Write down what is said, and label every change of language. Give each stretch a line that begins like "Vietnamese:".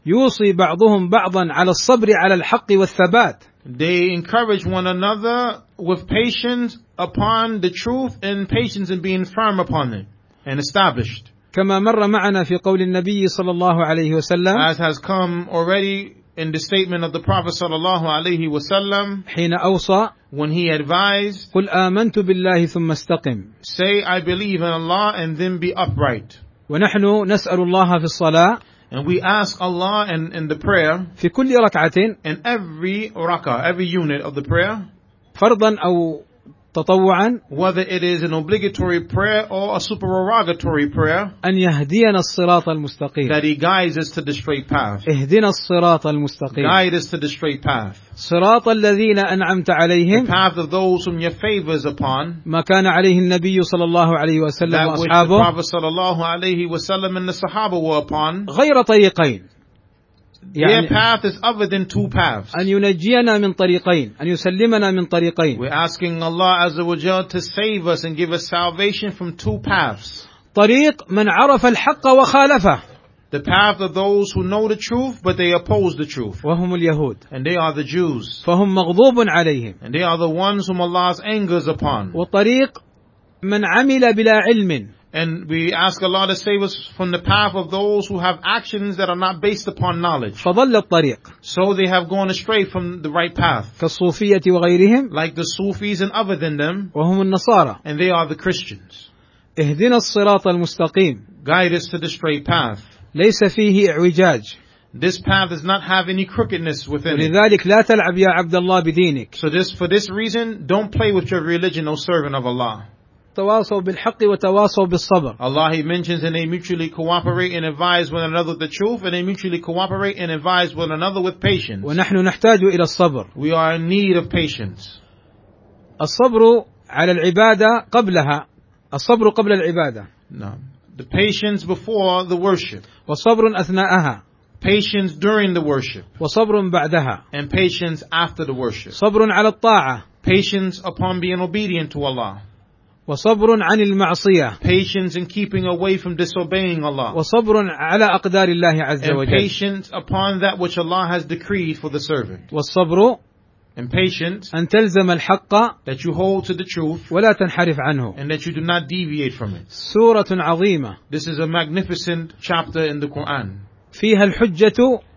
Arabic: يوصي بعضهم بعضا على الصبر على الحق والثبات.
English: They encourage one another with patience upon the truth and patience in being firm upon it and established.
Arabic: كما مر معنا في قول النبي صلى الله عليه وسلم.
English: As has come already. In the statement of the Prophet sallallahu alayhi wa sallam,
Arabic: حين أوصى,
English: when he advised,
Arabic: قل آمنت بالله ثم استقم.
English: Say, I believe in Allah and then be upright.
Arabic: ونحن نسأل الله في الصلاة,
English: and we ask Allah in the prayer,
Arabic: في كل ركعة,
English: in every rakah, every unit of the prayer,
Arabic: فرضا أو تطوعا,
English: whether it is an obligatory prayer or a supererogatory prayer,
Arabic: أن يهدينا الصراط المستقيم,
English: that he guides us to the straight path.
Arabic: اهدنا الصراط المستقيم,
English: guide us to the straight path.
Arabic: صراط الذين أنعمت عليهم,
English: the path of those whom your favors upon.
Arabic: ما كان عليه النبي صلى الله عليه وسلم
English: that
Arabic: وأصحابه,
English: that which the Prophet
Arabic: صلى الله عليه وسلم
English: and the Sahaba were upon.
Arabic: غير طريقين.
English: Their يعني path is other than two paths.
Arabic: أن ينجينا من طريقين, أن يسلمنا من طريقين.
English: We're asking Allah Azza wa Jalla to save us and give us salvation from two paths.
Arabic: طريق من عرف الحق وخالفه.
English: The path of those who know the truth but they oppose the truth.
Arabic: وهم اليهود.
English: And they are the Jews.
Arabic: فهم مغضوب عليهم.
English: And they are the ones whom Allah's anger is upon.
Arabic: وطريق من عمل بلا علم.
English: And we ask Allah to save us from the path of those who have actions that are not based upon knowledge.
Arabic: فضل الطريق.
English: So they have gone astray from the right path.
Arabic: كالصوفية وغيرهم.
English: Like the Sufis and other than them.
Arabic: وهم النصارى.
English: And they are the Christians.
Arabic: اهدنا الصراط المستقيم.
English: Guide us to the straight path.
Arabic: ليس فيه اعوجاج.
English: This path does not have any crookedness within it.
Arabic: لذلك لا تلعب يا عبد الله بدينك.
English: So this, for this reason, don't play with your religion, O servant of Allah.
Arabic: تواصوا بالحق وتواصوا بالصبر.
English: Allah He mentions and they mutually cooperate and advise one another with the truth and they mutually cooperate and advise one another with patience.
Arabic: ونحن نحتاج إلى الصبر.
English: We are in need of patience.
Arabic: الصبر على العبادة قبلها. الصبر قبل العبادة.
English: No. The patience before the worship.
Arabic: وصبر أثناءها.
English: Patience during the worship.
Arabic: وصبر بعدها.
English: And patience after the worship.
Arabic: صبر على الطاعة.
English: Patience upon being obedient to Allah.
Arabic: وصبر عن المعصية.
English: Patience in keeping away from disobeying Allah.
Arabic: وصبر على أقدار الله عز وجل.
English: And patience upon that which Allah has decreed for the servant.
Arabic: والصبر.
English: And patience.
Arabic: أن تلزم الحق.
English: That you hold to the truth.
Arabic: ولا تنحرف عنه.
English: And that you do not deviate from it.
Arabic: سورة عظيمة.
English: This is a magnificent chapter in the Quran.
Arabic: فيها الحجة.